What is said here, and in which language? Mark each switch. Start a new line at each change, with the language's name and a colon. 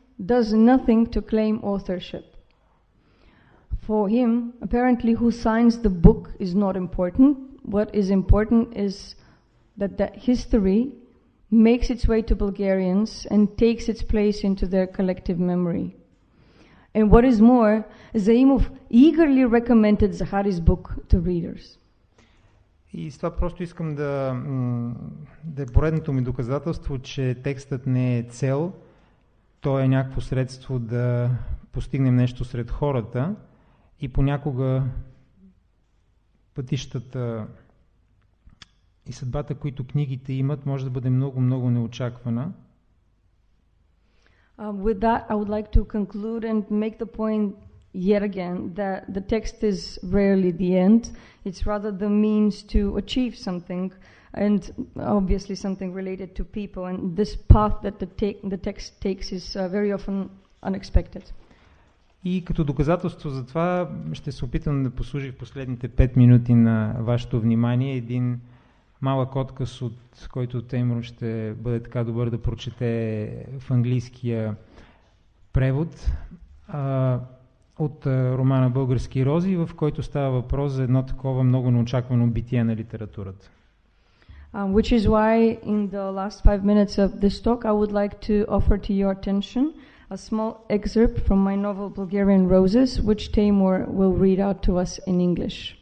English: does nothing to claim authorship. For him, apparently, who signs the book is not important. What is important is that the history makes its way to Bulgarians and takes its place into their collective memory. And what is more, Zaimov eagerly recommended Zahari's book to readers.
Bulgarian: И с това просто искам да, да е поредното ми доказателство, че текстът не е цел, то е някакво средство да постигнем нещо сред хората и понякога пътищата и съдбата, които книгите имат, може да бъде много-много неочаквана.
English: With that, I would like to conclude and make the point yet again, that the text is rarely the end. It's rather the means to achieve something, and obviously something related to people. And this path that the text takes is very often unexpected.
Bulgarian: И като доказателство за това ще се опитам да послужи в последните 5 минути на вашето внимание един малък откъс, от който Теймур ще бъде така добър да прочете в английския превод. От романа Български рози, в който става въпрос за едно такова много неочаквано битие на литературата.
English: Which is why in the last 5 minutes of this talk I would like to offer to your attention a small excerpt from my novel Bulgarian Roses, which Taymor will read out to us in English.